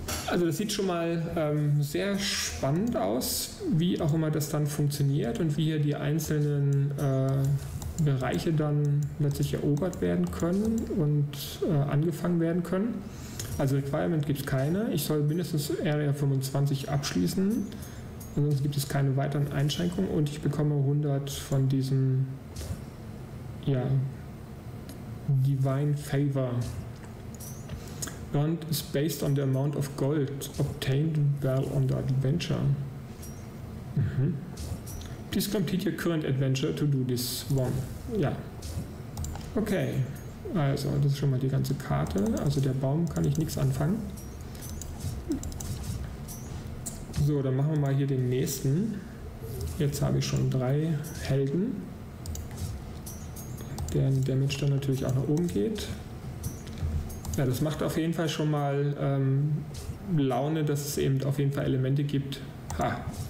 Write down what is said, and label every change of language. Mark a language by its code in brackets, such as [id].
[de] Also das sieht schon mal sehr spannend aus, wie auch immer das dann funktioniert und wie hier die einzelnen Bereiche dann letztlich erobert werden können und angefangen werden können. Also Requirement gibt es keine. Ich soll mindestens Area 25 abschließen. Ansonsten gibt es keine weiteren Einschränkungen und ich bekomme 100 von diesem Divine Favor. [en] Earned is based on the amount of gold obtained while on the adventure. Mhm. Please complete your current adventure to do this one. [de] Ja. Okay. Also, das ist schon mal die ganze Karte. Also, der Baum kann ich nichts anfangen. So, dann machen wir mal hier den nächsten. Jetzt habe ich schon 3 Helden. Deren Damage dann natürlich auch nach oben geht. Ja, das macht auf jeden Fall schon mal Laune, dass es eben auf jeden Fall Elemente gibt. Ha!